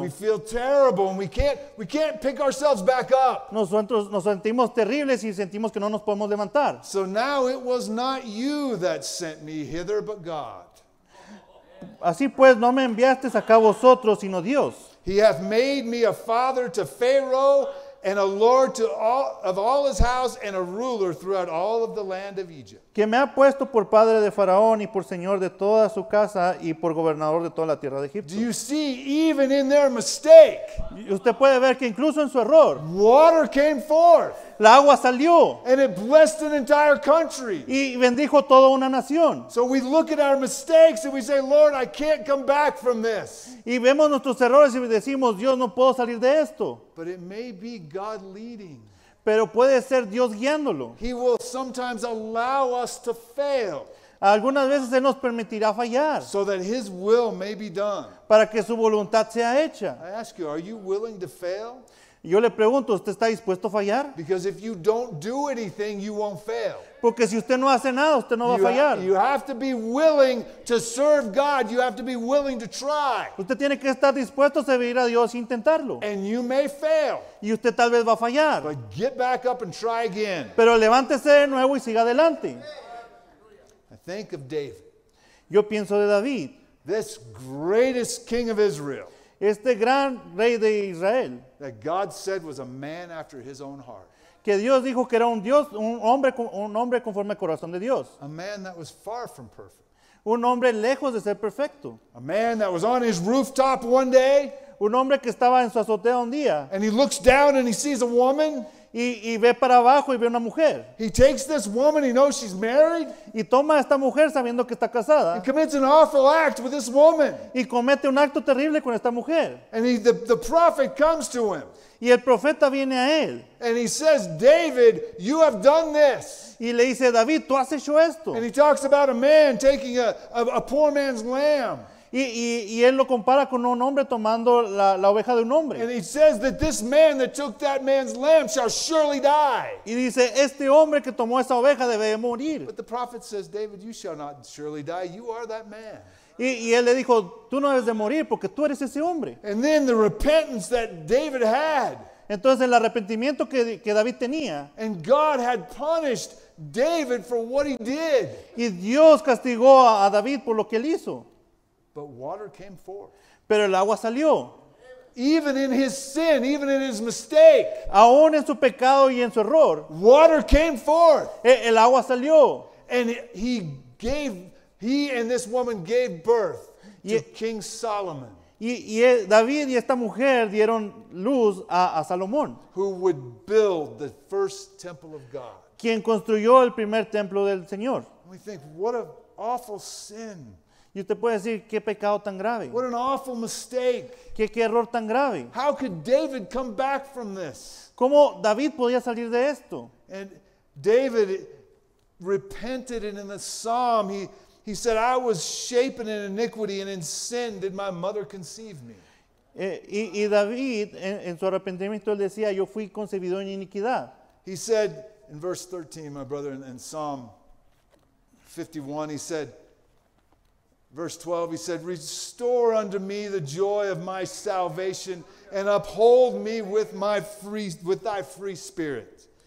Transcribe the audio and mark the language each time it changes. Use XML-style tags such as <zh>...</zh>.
<en>we feel terrible and we can't pick ourselves back up.</en> <es>Nosotros nos sentimos terribles y sentimos que no nos podemos levantar.</es> <en>So now it was not you that sent me hither, but God.</en> <es>Así pues, no me enviaste acá vosotros, sino Dios.</es> <en>He hath made me a father to Pharaoh and a lord to all of all his house and a ruler throughout all of the land of Egypt.</en> <es>Que me ha puesto por padre de Faraón y por señor de toda su casa y por gobernador de toda la tierra de Egipto.</es> <en>Do you see, even in their mistake,</en> <es>usted puede ver que incluso en su error,</es> <en>water came forth.</en> <es>La agua salió.</es> <en>And it blessed an entire country.</en> <es>Y bendijo toda una nación.</es> <en>So we look at our mistakes and we say, Lord, I can't come back from this.</en> <es>Y vemos nuestros errores y decimos, Dios, no puedo salir de esto.</es> <en>But it may be God leading.</en> <es>Pero puede ser Dios guiándolo.</es> <en>He will sometimes allow us to fail.</en> <es>Algunas veces Él nos permitirá fallar.</es> <en>So that His will may be done.</en> <es>Para que su voluntad sea hecha.</es> <en>I ask you, are you willing to fail?</en> <es>Yo le pregunto, ¿usted está dispuesto a fallar?</es> <en>Because if you don't do anything, you won't fail.</en> <es>Porque si usted no hace nada, usted no va a fallar.</es> <en>You have to be willing to serve God. You have to be willing to try.</en> <es>Usted tiene que estar dispuesto a servir a Dios e intentarlo.</es> <en>And you may fail.</en> <es>Y usted tal vez va a fallar.</es> <en>But get back up and try again.</en> <es>Pero levántese de nuevo y siga adelante.</es> <en>I think of David.</en> <es>Yo pienso de David.</es> <en>This greatest king of Israel.</en> <es>Este gran rey de Israel.</es> <en>That God said was a man after His own heart.</en> <es>Que Dios dijo que era un hombre conforme al corazón de Dios.</es> <en>A man that was far from perfect.</en> <es>Un hombre lejos de ser perfecto.</es> <en>A man that was on his rooftop one day.</en> <es>Un hombre que estaba en su azotea un día.</es> <en>And he looks down and he sees a woman.</en> <es>Y ve para abajo y ve una mujer.</es> <en>He takes this woman, he knows she's married.</en> <es>Y toma a esta mujer sabiendo que está casada.</es> <en>And commits an awful act with this woman.</en> <es>Y comete un acto terrible con esta mujer.</es> <en>And the prophet comes to him.</en> <es>Y el profeta viene a él.</es> <en>And he says, David, you have done this.</en> <es>Y le dice, David, tú has hecho esto.</es> <en>And he talks about a man taking a poor man's lamb.</en> <es>Y él lo compara con un hombre tomando la oveja de un hombre.</es> <en>And he says that this man that took that man's lamb shall surely die.</en> <es>Y dice, este hombre que tomó esa oveja debe morir.</es> <en>But the prophet says, David, you shall not surely die. You are that man.</en> <es>Y él le dijo, tú no debes de morir porque tú eres ese hombre.</es> <en>And then the repentance that David had.</en> <es>Entonces el arrepentimiento que David tenía.</es> <en>And God had punished David for what he did.</en> <es>Y Dios castigó a David por lo que él hizo.</es> <en>But water came forth.</en> <es>Pero el agua salió.</es> <en>Even in his sin, even in his mistake.</en> <es>Aún en su pecado y en su error.</es> <en>Water came forth.</en> <es>El agua salió.</es> <en>And he and this woman gave birth to King Solomon.</en> <es>Y David y esta mujer dieron luz a Salomón.</es> <en>Who would build the first temple of God.</en> <es>Quien construyó el primer templo del Señor.</es> <en>And we think, what an awful sin.</en> <es>Y usted puede decir, ¿qué pecado tan grave?</es> <en>What an awful mistake.</en> <es>¿Qué error tan grave?</es> <en>How could David come back from this?</en> <es>¿Cómo David podía salir de esto?</es> <en>And David repented, and in the psalm he said, I was shapen in iniquity, and in sin did my mother conceive me.</en> <es>Y David, en su arrepentimiento, él decía, yo fui concebido en iniquidad.</es> <en>He said, in verse 13, my brother, in Psalm 51, he said, verse 12, he said, restore unto me the joy of my salvation and uphold me with thy free spirit.</en>